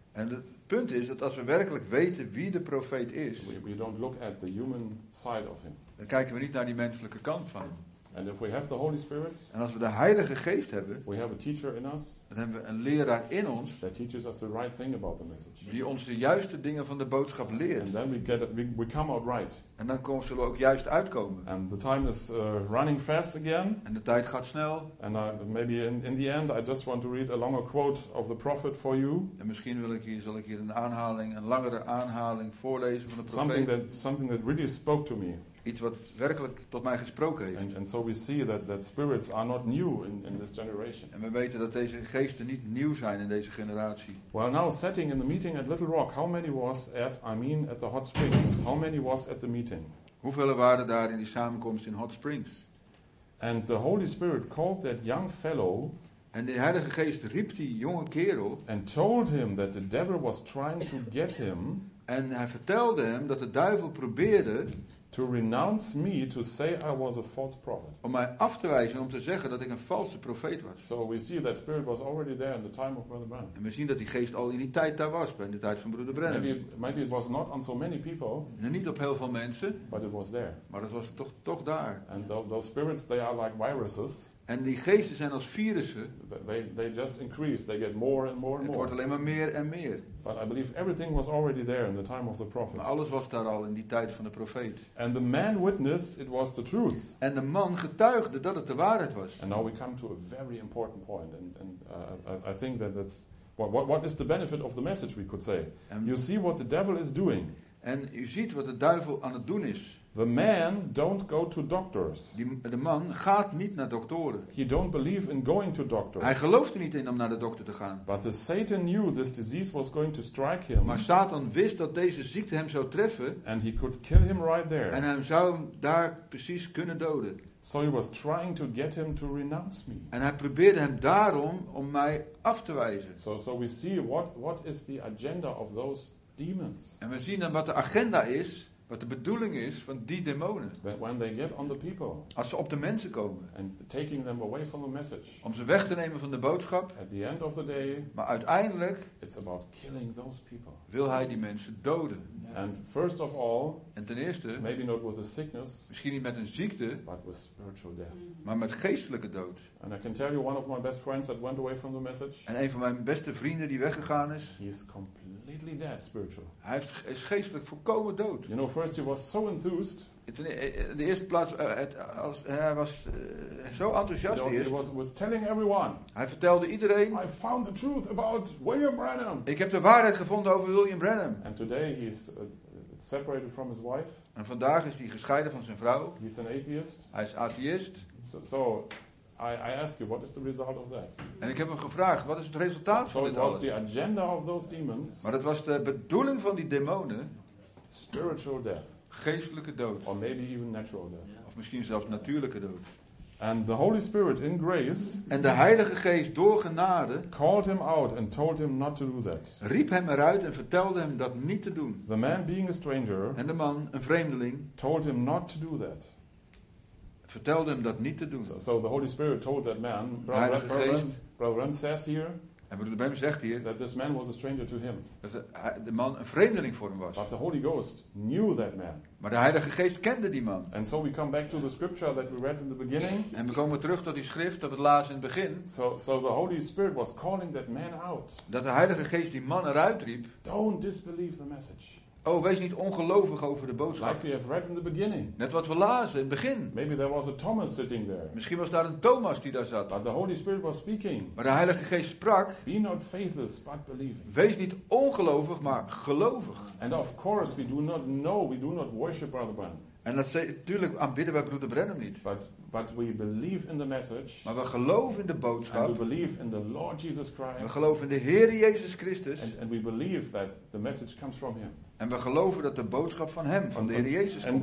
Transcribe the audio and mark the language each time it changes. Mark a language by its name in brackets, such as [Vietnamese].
[Dutch] En het punt is dat als we werkelijk weten wie de profeet is. [English] We don't look at the human side of him. [Dutch] Dan kijken we niet naar die menselijke kant van hem. [English] And if we have the Holy Spirit. [Dutch] En als we de Heilige Geest hebben. [English] We have a teacher in us. [Dutch] Dan hebben we een leraar in ons. [English] That teaches us the right thing about the message. [Dutch] Die ons de juiste dingen van de boodschap leert. [English] And then we come out right. [Dutch] En dan zullen we ook juist uitkomen. [English] And the time is running fast again. [Dutch] En de tijd gaat snel. [English] And maybe in the end I just want to read a longer quote of the prophet for you. [Dutch] En misschien zal ik hier een langere aanhaling voorlezen van de profeet. [English] Something that really spoke to me. [Dutch] Iets wat werkelijk tot mij gesproken heeft. [English] And so we see that spirits are not new in this generation. [Dutch] En we weten dat deze geesten niet nieuw zijn in deze generatie. [English] Well, now sitting in the meeting at Little Rock, how many was at the hot springs? How many was at the meeting? [Dutch] Hoeveel waren daar in die samenkomst in Hot Springs? [English] And the Holy Spirit called that young fellow. [Dutch] En de Heilige Geest riep die jonge kerel. [English] And told him that the devil was trying to get him. [Dutch] En hij vertelde hem dat de duivel probeerde. [English] To renounce me, to say I was a false prophet. [Dutch] Om mij af te wijzen, om te zeggen dat ik een valse profeet was. [English] So we see that spirit was already there in the time of Brother Branham. [Dutch] En we zien dat die geest al in die tijd daar was, in de tijd van Broeder Branham. [English] Maybe it was not on so many people. [Dutch] En niet op heel veel mensen. [English] But it was there. [Dutch] Maar het was toch daar. [English] And those spirits, they are like viruses. [Dutch] En die geesten zijn als virussen. [English] They just increase. They get more and more and more. [Dutch] Het wordt alleen maar meer en meer. [English] But I believe everything was already there in the time of the prophet. [Dutch] Maar alles was daar al in die tijd van de profeet. [English] And the man witnessed it was the truth. [Dutch] En de man getuigde dat het de waarheid was. [English] And now we come to a very important point. And I think that that's what is the benefit of the message, we could say. You see what the devil is doing. [Dutch] En u ziet wat de duivel aan het doen is. [English] The man don't go to doctors. [Dutch] De man gaat niet naar doktoren. [English] He don't believe in going to doctors. [Dutch] Hij gelooft er niet in om naar de dokter te gaan. [English] But the Satan knew this disease was going to strike him. [Dutch] Maar Satan wist dat deze ziekte hem zou treffen. [English] And he could kill him right there. [Dutch] En hij zou hem daar precies kunnen doden. [English] So he was trying to get him to renounce me. [Dutch] En hij probeerde hem daarom om mij af te wijzen. [English] So we see what is the agenda of those demons. [Dutch] En we zien dan wat de agenda is. Wat de bedoeling is van die demonen. [English] That when they get on the people, [Dutch] als ze op de mensen komen. [English] And taking them away from the message, [Dutch] om ze weg te nemen van de boodschap. [English] At the end of the day, [Dutch] maar uiteindelijk. [English] It's about killing those people. [Dutch] Wil hij die mensen doden. [English] Yeah. And first of all, [Dutch] en ten eerste. [English] Maybe not with a sickness, [Dutch] misschien niet met een ziekte. [English] But with spiritual death. [Dutch] Maar met geestelijke dood. [English] And I can tell you one of my best friends that went away from the message. [Dutch] En een van mijn beste vrienden die weggegaan is. [English] He is completely dead spiritual. [Dutch] Hij is geestelijk volkomen dood. [English] You know, first he was so enthused. [Dutch] In de eerste plaats, hij was zo enthousiast. [English] You know, he was telling everyone. [Dutch] Hij vertelde iedereen. [English] I found the truth about William Branham. [Dutch] Ik heb de waarheid gevonden over William Branham. [English] And today he is separated from his wife. [Dutch] En vandaag is hij gescheiden van zijn vrouw. [English] He's an atheist. [Dutch] Hij is atheist. [English] So I ask you, what is the result of that? [Dutch] En ik heb hem gevraagd, wat is het resultaat van dit alles? [English] The agenda of those demons. [Dutch] Maar het was de bedoeling van die demonen. [English] Spiritual death. [Dutch] Geestelijke dood. [English] Or maybe even natural death. [Dutch] Of misschien zelfs natuurlijke dood. [English] And the Holy Spirit in grace. [Dutch] En de Heilige Geest door genade. [English] Called him out and told him not to do that. [Dutch] Riep hem eruit en vertelde hem dat niet te doen. [English] The man being a stranger. [Dutch] En de man, een vreemdeling. [English] Told him not to do that. [Dutch] Vertelde hem dat niet te doen. [English] So the Holy Spirit told that man. Brother Ren says here. [Dutch] En Broeder Bram zegt hier [English] that this man was a stranger to him. [Dutch] Dat de man een vreemdeling voor hem was. [English] But the Holy Ghost knew that man. [Dutch] Maar de Heilige Geest kende die man. [English] And so we come back to the scripture that we read in the beginning. [Dutch] En we komen terug tot die schrift dat we lazen in het begin. [English] So the Holy Spirit was calling that man out. [Dutch] Dat de Heilige Geest die man eruit riep. [English] Don't disbelieve the message. [Dutch] Oh, wees niet ongelovig over de boodschap. [English] Like we have read in the beginning. [Dutch] Net wat we lazen in het begin. [English] Maybe there was a Thomas sitting there. [Dutch] Misschien was daar een Thomas die daar zat. [English] But the Holy Spirit was speaking. [Dutch] Maar de Heilige Geest sprak. [English] Be not faithless, but believing. [Dutch] Wees niet ongelovig, maar gelovig. [English] And of course we do not know, we do not worship Brother Branham. [Dutch] En natuurlijk aanbidden wij Broeder Branham niet. [English] But we believe in the message. [Dutch] Maar we geloven in de boodschap. [English] And we believe in the Lord Jesus Christ. [Dutch] We geloven in de Heer Jezus Christus. [English] And we believe that the message comes from him. [Dutch] En we geloven dat de boodschap van hem, van de Heer Jezus, komt.